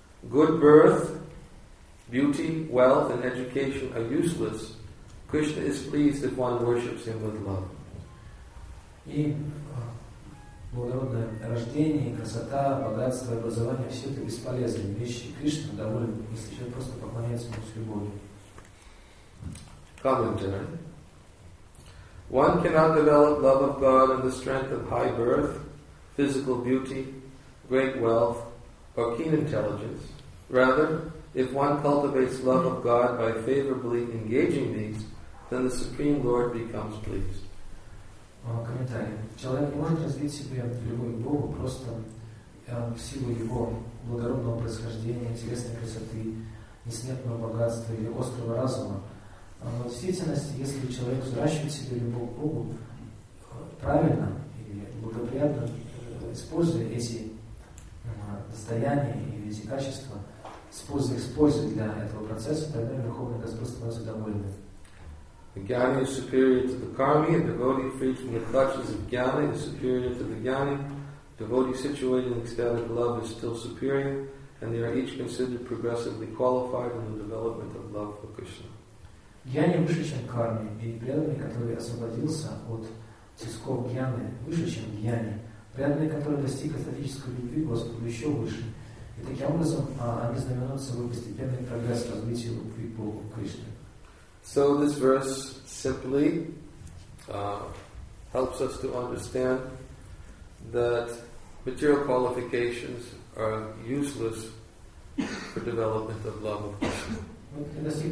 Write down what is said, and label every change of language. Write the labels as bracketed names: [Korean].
[English] Good birth, beauty, wealth, and education are useless. Krishna is pleased if one worships him with love. [Russian] И благородное рождение, красота, богатство, образование все это бесполезные вещи. Кришна доволен, если человек просто поклоняется ему с любовью. [English] Commentary. One cannot develop love of God on the strength of high birth, physical beauty, great wealth, or keen intelligence. Rather, if one cultivates love of God by favorably engaging these, then the Supreme Lord becomes pleased. [Russian] Комментарий. Человек не может развить себе любовь к Богу просто в силу его благородного происхождения, телесной красоты, несметного богатства или острого разума. Но в действительности, если человек взращивает себе любовь к Богу правильно и благоприятно, используя эти достояния и эти качества, используя для этого процесса, тогда Верховный Господь становится довольным. [English] The jnani is superior to the karmi, a devotee freed from the clutches of jnani is superior to the jnani. A devotee situated in ecstatic love is still superior, and they are each considered progressively qualified in the development of love for Krishna. [Russian] Jnani выше, чем карми, и преданный, который освободился от тисков jnani, выше, чем jnani. Преданный, который достиг эстетической любви, Господу еще выше. И таким образом они знаменуют собой постепенный прогресс развития любви по Кришне. [English] So this verse simply helps us to understand that material qualifications are useless for development of love of